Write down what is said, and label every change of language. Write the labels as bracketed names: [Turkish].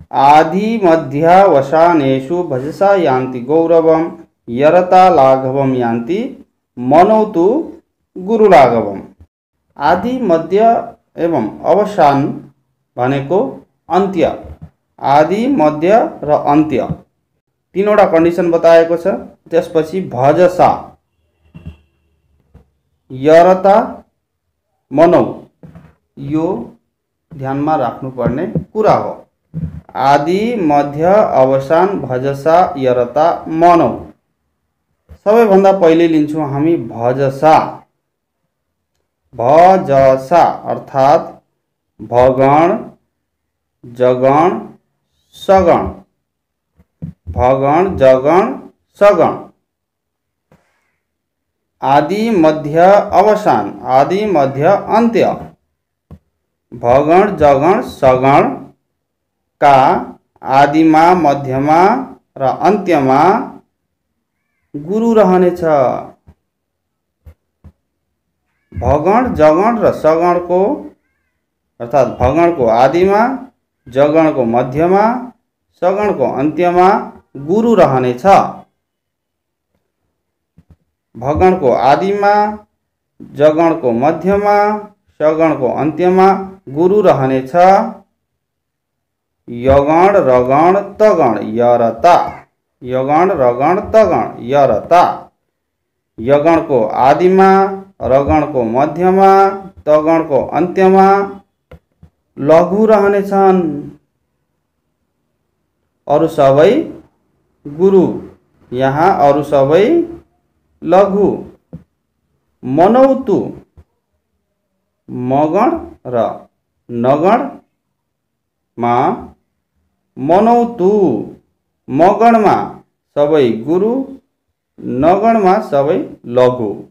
[Sanskrit] आदि मध्यावसानेषु भजसा यान्ति गौरवम यरता लाघवम यान्ति मनोतु गुरु लाघवम। [Nepali] आदि मध्य एवं अवसान भनेको अन्त्य, आदि मध्य र अन्त्य तीनवटा कन्डिसन बताएको छ। त्यसपछि भजसा यरता मनौ यो ध्यानमा राख्नुपर्ने कुरा हो। आदि मध्य अवसान भजसा यरता मनौ। सबैभन्दा पहिले लिन्छौँ हामी भजसा। भजसा अर्थात् भगण जगण सगण, भगण जगण सगण। आदि मध्य अवसान आदि मध्य अन्त्य भगण जगण सगण का आदिमा मध्यमा र अन्त्यमा गुरु रहनेछ। भगण जगण र सगणको अर्थात् भगणको आदिमा जगणको मध्यमा सगणको अन्त्यमा गुरु रहनेछ। भगणको आदिमा जगणको मध्यमा सगणको अन्त्यमा गुरु रहनेछ। यगण रगण तगण यरता, यगण रगण तगण यरता। यगणको आदिमा रगणको मध्यमा तगणको अन्त्यमा लघु रहनेछन्, अरू सबै गुरु। यहाँ अरू सबै लघु। मनौतु मगण र नगणमा मनौतु मगणमा सबै गुरु नगणमा सबै लघु।